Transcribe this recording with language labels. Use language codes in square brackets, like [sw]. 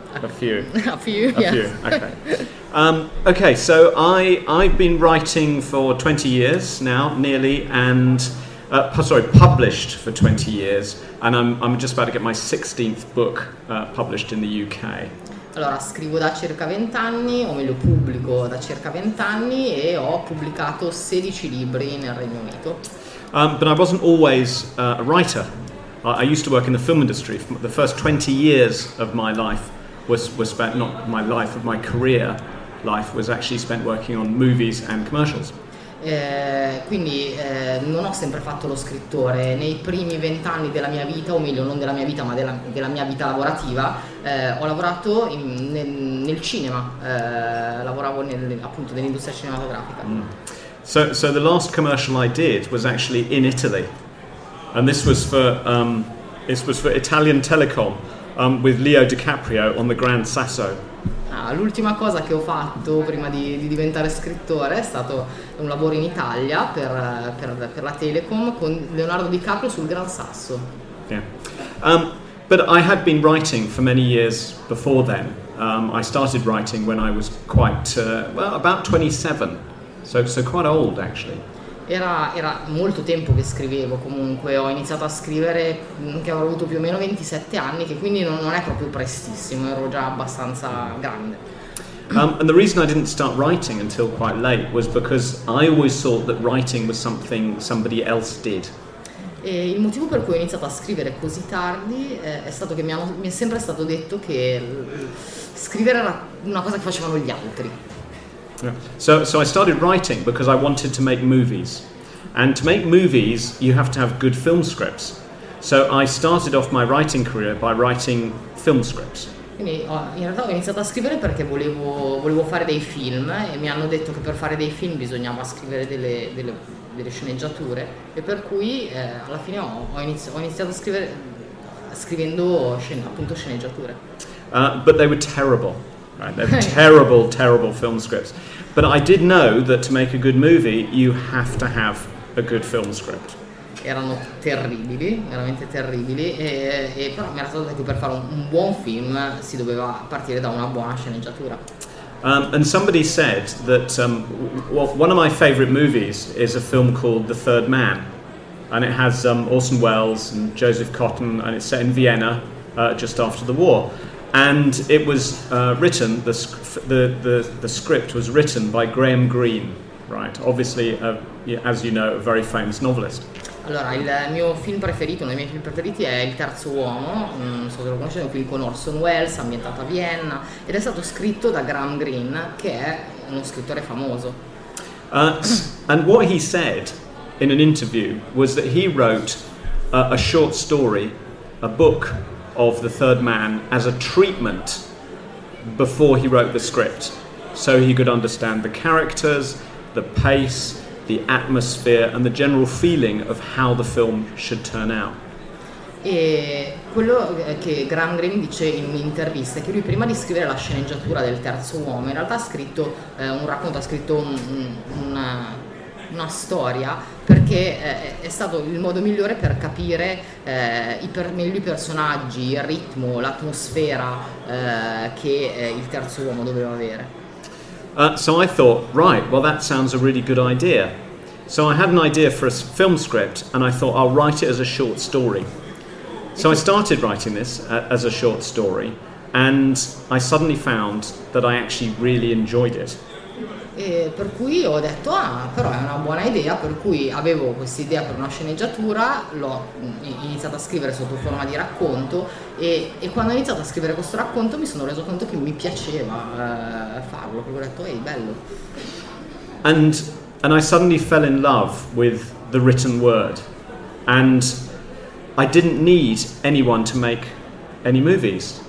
[en] a few. A few. A few. Okay. Okay. So I've been writing for 20 years now, nearly, and published for 20 years, and I'm just about to get my 16th book published in the UK. [it] Allora, scrivo da circa 20 anni, o meglio pubblico da circa 20 anni, e ho pubblicato 16 libri nel Regno Unito. [en] But I wasn't always a writer. I used to work in the film industry. The first 20 years of my life was spent, not my life, of my career life, was actually spent working on movies and commercials. [it] Quindi non ho sempre fatto lo scrittore. Nei primi 20 anni della mia vita, o meglio non della mia vita ma della mia vita lavorativa, ho lavorato nel cinema, lavoravo appunto nell'industria cinematografica. [en] So the last commercial I did was actually in Italy, and this was for Italian Telecom, with Leo DiCaprio on the Grand Sasso. [it] L'ultima cosa che ho fatto prima di diventare scrittore è stato un lavoro in Italia per la Telecom con Leonardo DiCaprio sul Gran Sasso. [en] Yeah. But I had been writing for many years before then. I started writing when I was about 27, so quite old actually. [it] Era molto tempo che scrivevo, comunque ho iniziato a scrivere che avevo avuto più o meno 27 anni, che quindi non è proprio prestissimo, ero già abbastanza grande. [en] And the reason I didn't start writing until quite late was because I always thought that writing was something somebody else did. [it] E il motivo per cui ho iniziato a scrivere così tardi è stato che mi è sempre stato detto che scrivere era una cosa che facevano gli altri. [en] So I started writing because I wanted to make movies. And to make movies, you have to have good film scripts. So I started off my writing career by writing film scripts. [it] Quindi in realtà ho iniziato a scrivere perché volevo fare dei film e mi hanno detto che per fare dei film bisognava scrivere delle sceneggiature e per cui alla fine ho iniziato a scrivere scrivendo appunto sceneggiature. [en] But they were terrible, right? They were terrible, terrible film scripts. But I did know that to make a good movie you have to have a good film script. [it] Erano terribili, veramente terribili, e però mi era stato detto che per fare un buon film si doveva partire da una buona sceneggiatura. [en] And somebody said that one of my favorite movies is a film called The Third Man, and it has Orson Welles and Joseph Cotten, and it's set in Vienna just after the war. And it was written, the script was written by Graham Greene, right? Obviously, as you know, a very famous novelist. [it] Allora, il mio film preferito, uno dei miei film preferiti è Il Terzo Uomo, non so se lo conoscete, un film con Orson Welles, ambientato a Vienna, ed è stato scritto da Graham Greene, che è uno scrittore famoso. [en] And what he said in an interview was that he wrote a short story, a book of The Third Man, as a treatment before he wrote the script, so he could understand the characters, the pace, the atmosphere and the general feeling of how the film should turn out. [it] E quello che Graham Greene dice in un'intervista è che lui prima di scrivere la sceneggiatura del Terzo Uomo in realtà ha scritto un racconto, ha scritto una storia perché è stato il modo migliore per capire meglio i personaggi, il ritmo, l'atmosfera che il Terzo Uomo doveva avere. [en] So I thought, right, well, that sounds a really good idea. So I had an idea for a film script, and I thought, I'll write it as a short story. So I started writing this as a short story, and I suddenly found that I actually really enjoyed it. [it] E per cui ho detto, ah, però è una buona idea, per cui avevo questa idea per una sceneggiatura, l'ho iniziata a scrivere sotto forma di racconto, e quando ho iniziato a scrivere questo racconto mi sono reso conto che mi piaceva farlo, perché ho detto, ehi, bello. [en] And I suddenly fell in love with the written word, and I didn't need anyone to make any movies.